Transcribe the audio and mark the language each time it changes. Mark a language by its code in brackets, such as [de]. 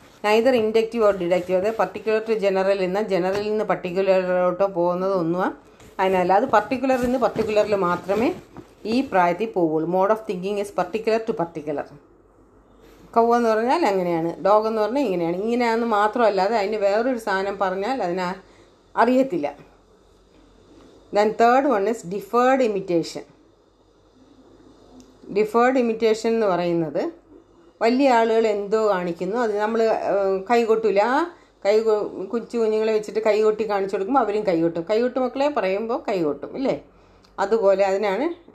[en] neither inductive or deductive, [ml] അതായത് particular to general നിന്ന് ജനറലിൽ നിന്ന് പർട്ടിക്കുലറിലോട്ടോ പോകുന്നത് ഒന്നും അതിനല്ല. അത് പർട്ടിക്കുലറിൽ നിന്ന് പർട്ടിക്കുലറിൽ മാത്രമേ ഈ പ്രായത്തിൽ പോവുള്ളൂ. [en] Mode of thinking is particular to particular. [ml] കൗ എന്ന് പറഞ്ഞാൽ അങ്ങനെയാണ്, ഡോഗ് എന്ന് പറഞ്ഞാൽ ഇങ്ങനെയാണ്, ഇങ്ങനെയാണെന്ന് മാത്രമല്ലാതെ അതിന് വേറൊരു സാധനം പറഞ്ഞാൽ അതിനെ അറിയത്തില്ല. [en] Then third one is deferred imitation. [ml] Deferred imitation എന്ന് പറയുന്നത് വലിയ ആളുകൾ എന്തോ കാണിക്കുന്നു അത് നമ്മൾ കൈകൊട്ടില്ല കൈ കൊച്ചു കുഞ്ഞുങ്ങളെ വെച്ചിട്ട് കൈകൊട്ടി കാണിച്ചു കൊടുക്കുമ്പോൾ അവരും കൈകൊട്ടും കൈകൊട്ട് മക്കളെ പറയുമ്പോൾ കൈകൊട്ടും ഇല്ലേ അതുപോലെ അതിനാണ്